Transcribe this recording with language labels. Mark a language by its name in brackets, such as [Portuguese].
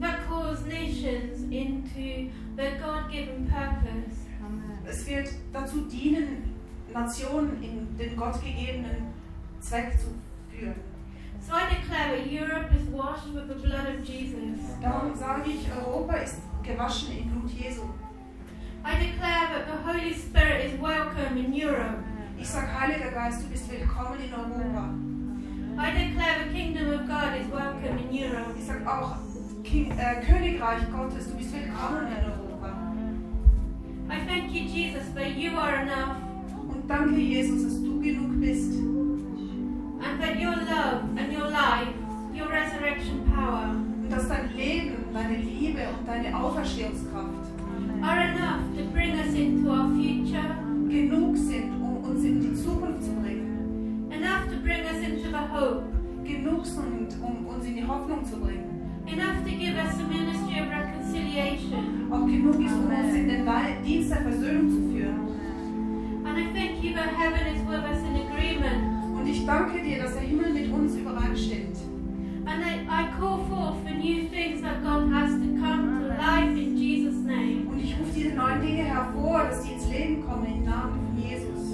[English] That calls nations into the God-given purpose. Amen. [German] Es wird dazu dienen, Nationen in den gottgegebenen Zweck zu führen. [English] So I declare that Europe is washed with the blood of Jesus. [German] Darum sage ich, Europa ist gewaschen im Blut Jesu. [English] I declare that the Holy Spirit is welcome in Europe. [German] Ich sage, Heiliger Geist, du bist willkommen in Europa. [English] I declare the kingdom of God is welcome in Europe. [German] Ich sage auch, Königreich Gottes, du bist willkommen in Europa. [English] I thank you, Jesus, that you are enough. [German] Und danke, Jesus, dass du genug bist. [English] And that your love and your life, your resurrection power. [German] Und dass dein Leben, deine Liebe und deine Auferstehungskraft [English] are enough to bring us into our future. [German] Genug sind, um uns in die Zukunft zu bringen. [English] Enough to bring us into the hope. [German] Genug sind, um uns in die Hoffnung zu bringen. [English] Enough to give us the ministry of reconciliation. [German] Auch genug ist, um uns in den Dienst der Versöhnung zu führen. [English] And I thank you that heaven is with us in agreement. [German] Und ich danke dir, dass der Himmel mit uns übereinstimmt. [English] And I call forth the new things that God has to come to life in Jesus' name. [German] Und ich rufe diese neuen Dinge hervor, dass sie ins Leben kommen im Namen von Jesus.